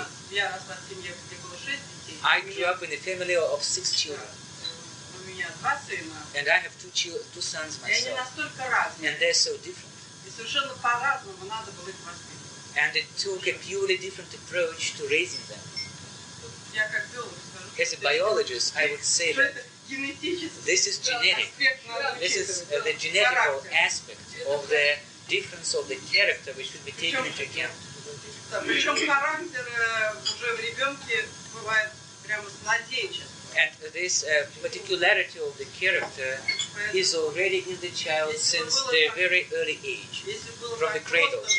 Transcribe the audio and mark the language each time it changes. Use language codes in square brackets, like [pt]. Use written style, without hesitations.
[ru] Я росла в семье, где было 6 детей. [en] I grew up in a family of 6 children. [ru] У меня 2 сына. [en] And I have two sons myself. [ru] И они настолько разные. [en] And they're so different. [ru] И совершенно по-разному надо было их воспитывать. [en] And it took a purely different approach to raising them. [ru] Я как биолог скажу. [en] As a biologist, I would say that this is genetic. This is the genetic aspect of the difference of the character which should be taken into account. [ru] Причем характер уже в ребенке бывает прямо с младенчества. [en] And this particularity of the character is already in the child since the very early age, from the cradle.